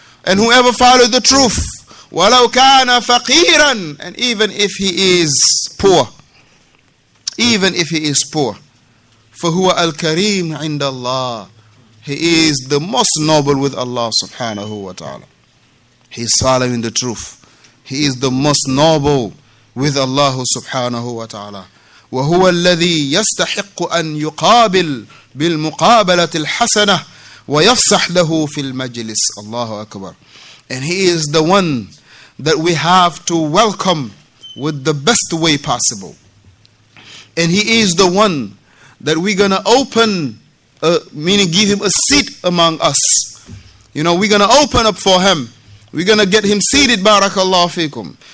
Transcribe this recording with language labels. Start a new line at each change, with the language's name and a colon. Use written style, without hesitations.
English: And whoever followed the truth, وَلَوْ كَانَ فَقِيرًا, and even if he is poor, even if he is poor, فَهُوَ الْكَرِيمُ عِنْدَ اللَّهِ, he is the most noble with Allah subhanahu wa ta'ala. He's following the truth. He is the most noble with Allah subhanahu wa ta'ala.
Arabic: وَهُوَ الَّذِي يَسْتَحِقُّ أَنْ يُقَابِلْ بالمقابلة الحسنة ويفسح له في المجلس. الله أكبر.
English: And he is the one that we have to welcome with the best way possible. And he is the one that we're going to open, meaning give him a seat among us. You know, we're going to open up for him. We're going to get him seated, barakallahu fikum.